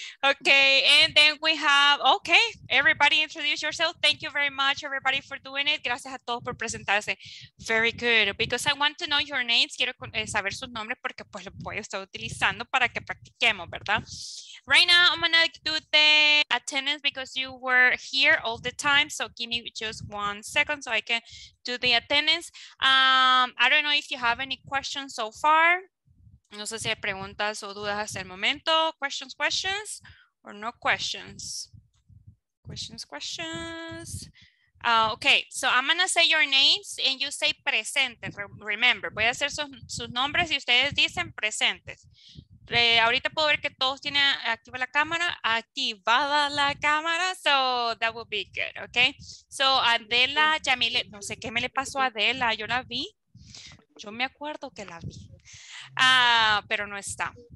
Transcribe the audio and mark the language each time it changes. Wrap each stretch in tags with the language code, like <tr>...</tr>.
<en>Okay, and then we have, okay, everybody introduce yourself. Thank you very much, everybody, for doing it.</en> <es>Gracias a todos por presentarse.</es> <en>Very good. Because I want to know your names.</en> <es>Quiero saber sus nombres porque pues lo voy a estar utilizando para que practiquemos, ¿verdad?</es> <en>Right now, I'm going to do the attendance because you were here all the time. So give me just 1 second so I can do the attendance. I don't know if you have any questions so far.</en> <es>No sé si hay preguntas o dudas hasta el momento.</es> <en>Questions, or no questions? Questions. Okay, so I'm going to say your names and you say presentes.</en> <es>Remember, voy a hacer sus nombres y ustedes dicen presentes. Ahorita puedo ver que todos tienen activada la cámara,</es> <en>so that would be good, okay?</en> <es>So Adela, Yamile, no sé qué me le pasó a Adela, yo la vi, yo me acuerdo que la vi, pero no está.</es>